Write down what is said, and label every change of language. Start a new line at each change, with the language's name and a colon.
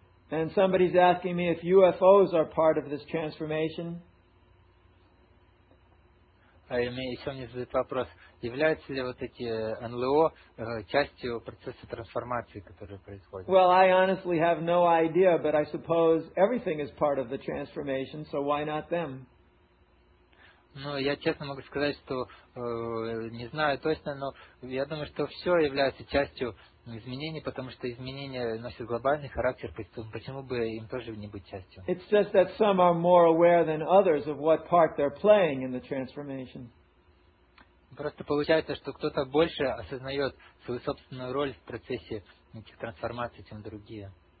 English: And somebody's asking me if UFOs are part of this transformation.
Russian: И мне еще не задают вопрос, являются ли вот эти НЛО частью процесса трансформации, который происходит.
English: Well, I honestly have no idea, but I suppose everything is part of the transformation, so why not them?
Russian: Ну, я честно могу сказать, что не знаю точно, но я думаю, что все является частью изменений, потому что изменения носят глобальный характер, почему бы им тоже не быть частью?
English: It's just that some are more aware than others of what part they're playing in the transformation.
Russian: Просто получается, что кто-то больше осознает свою собственную роль в процессе этих трансформаций, чем другие.